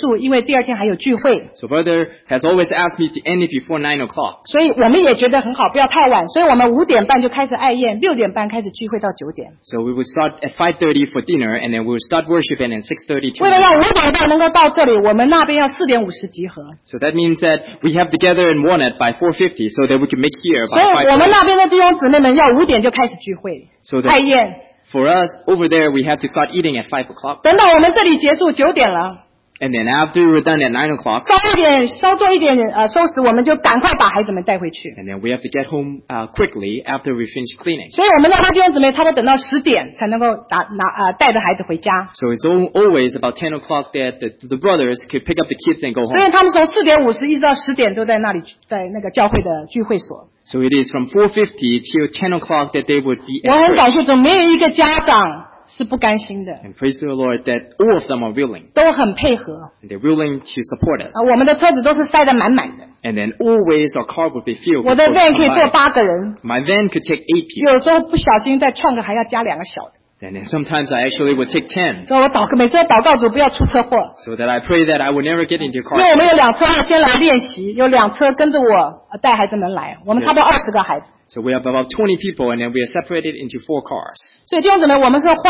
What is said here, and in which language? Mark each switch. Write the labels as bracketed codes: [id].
[zh] 这里弟兄姊妹要求我们9点以前要结束，因为第二天还有聚会。 [en] So brother has always asked me to end it before 9 o'clock. [zh] 所以我们也觉得很好，不要太晚。所以我们5点半就开始爱宴，6点半开始聚会到9点。 [en] So we will start at 5:30 for dinner, and then we will start worshiping at 6:30 till 9. [zh] 为了让5点半能够到这里，我们那边要4:50集合。 [en] So that means that we have to gather in Walnut by 4:50, so that we can make here by 5:00. [zh] 所以我们那边的弟兄姊妹们要5点就开始聚会，爱宴。 [en] For us over there, we have to start eating at 5 o'clock. [zh] 等到我们这里结束9点了。 [en] And then after we're done at 9 o'clock, [zh] 稍微点，稍做一点收拾，我们就赶快把孩子们带回去。 [en] And then we have to get home quickly after we finish cleaning. [zh] 所以我们那边弟兄姊妹差不多等到10点才能够带着孩子回家。 [en] So it's always about 10 o'clock that the brothers could pick up the kids and go home. [zh] 所以他们从4:50一直到10点都在那里在那个教会的聚会所。 [en] So it is from 4:50 till 10 o'clock that they would be. [zh] 我很感谢总没有一个家长。是不甘心的, [en] and praise the Lord that all of them are willing. [zh] 都很配合, [en] and they're willing to support us. [zh] 我们的车子都是塞得满满的, [en] and then always our car would be filled. [zh] 我的van可以坐8个人, [en] my van could take 8 people. [zh] 有时候不小心再创个还要加2个小的, [en] and then sometimes I actually would take 10. [zh] 所以我祷告，每次祷告主不要出车祸, [en] so that I pray that I would never get into your car. [zh] 因为我们有2车先来练习，有2车跟着我带孩子们来, 我们差不多20个孩子。 [en] So we have about 20 people, and then we are separated into 4 cars.